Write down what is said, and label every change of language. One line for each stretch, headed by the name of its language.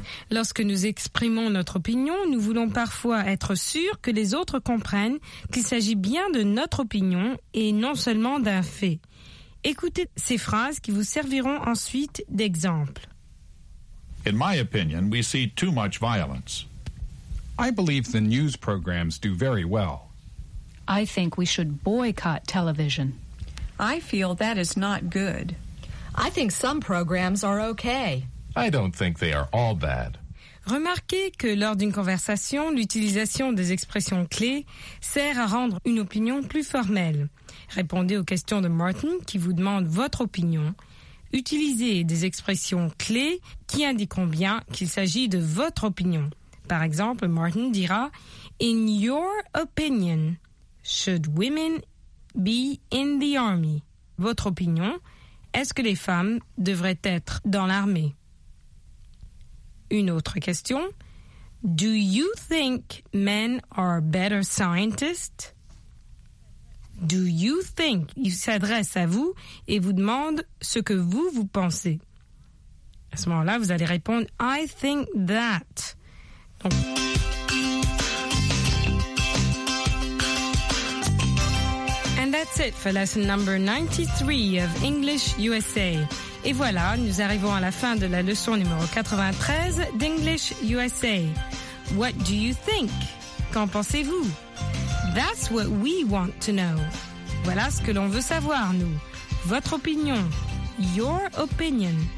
French: Lorsque nous exprimons notre opinion, nous voulons parfois être sûrs que les autres comprennent qu'il s'agit bien de notre opinion et non seulement d'un fait. Écoutez ces phrases qui vous serviront ensuite d'exemple.
English: In my opinion, we see too much violence. I believe the news programs do very well. I think we should boycott television. I feel that is not good. I think some programs are okay. I don't think they are all bad.
French: Remarquez que lors d'une conversation, l'utilisation des expressions clés sert à rendre une opinion plus formelle. Répondez aux questions de Martin qui vous demande votre opinion. Utilisez des expressions clés qui indiqueront bien qu'il s'agit de votre opinion. Par exemple, Martin dira,
English: In your opinion, should women be in the army?
French: Votre opinion, est-ce que les femmes devraient être dans l'armée? Une autre question.
English: Do you think men are better scientists? Do you think?
French: Il s'adresse à vous et vous demande ce que vous, vous pensez. À ce moment-là, vous allez répondre
English: I think that.
French: Donc...
English: And that's it for lesson number 93 of English USA.
French: Et voilà, nous arrivons à la fin de la leçon numéro 93 d'English USA.
English: What do you think?
French: Qu'en pensez-vous?
English: That's what we want to know.
French: Voilà ce que l'on veut savoir, nous. Votre opinion.
English: Your opinion.